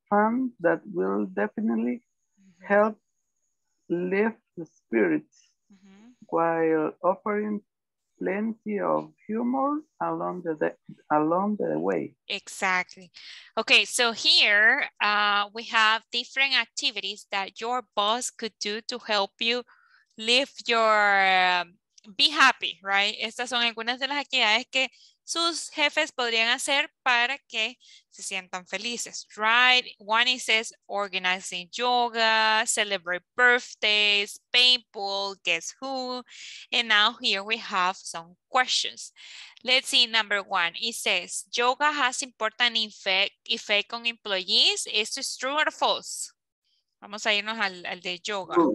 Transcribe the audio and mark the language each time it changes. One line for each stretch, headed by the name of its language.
English: Fun that will definitely help lift the spirits while offering plenty of humor along the way. Exactly. Okay, so here we have different activities that your boss could do to help you live your be happy, right?
Spanish: Estas son algunas de las actividades que sus jefes podrían hacer para que se sientan felices, right?
English: One says organizing yoga, celebrate birthdays, paintball, guess who? And now here we have some questions. Let's see, number one, it says yoga has important effect on employees. Is this true or false?
Spanish: Vamos a irnos al de yoga.